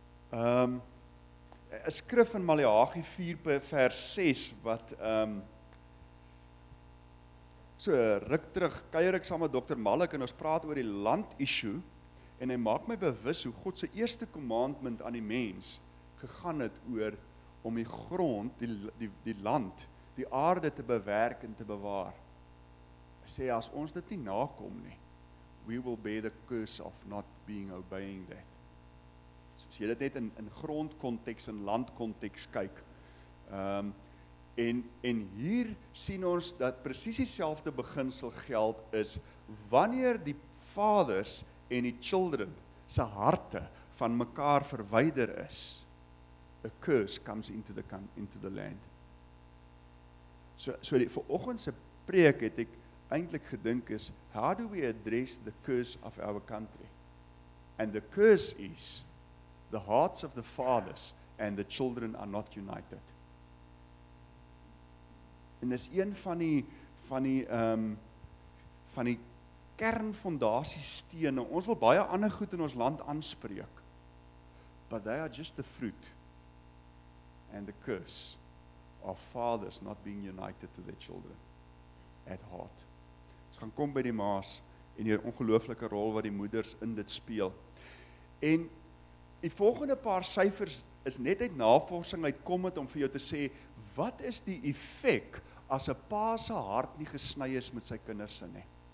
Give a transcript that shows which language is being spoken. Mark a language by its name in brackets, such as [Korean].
[Afrikaans] 'N skrif in Maleagi 4 vers 6 wat so ruk terug kuier ek saam met Dr. Malik en ons praat oor die land issue en hy maak my bewus hoe God se eerste commandment aan die mens gegaan het oor om die grond, die land, die aarde te bewerk en te bewaar. Hy sê as ons dit nie nakom nie, [English] we will bear the curse of not being obeying that. [Afrikaans] As jy dit net in grondkontekst, in landkontekst kyk. En hier sien ons dat precies dieselfde beginsel geld is, wanneer die vaders en die children se harte van mekaar verwyder is, [English] a curse comes into the land. [Afrikaans] So die vanoggendse preek het ek eintlik gedink is, [English] how do we address the curse of our country? And the curse is, the hearts of the fathers and the children are not united. [Afrikaans] En dis een van die kernfondasiestene. Ons wil baie ander goed in ons land aanspreek. [English] But they are just the fruit and the curse of fathers not being united to their children at heart. [Afrikaans] Ons gaan kom by die ma's en die ongelooflike rol wat die moeders in dit speel. En die volgende paar syfers is net uit navorsing uitkom het om vir jou te sê, wat is die effek as 'n pa se hart nie gesny is met sy kinders se nie?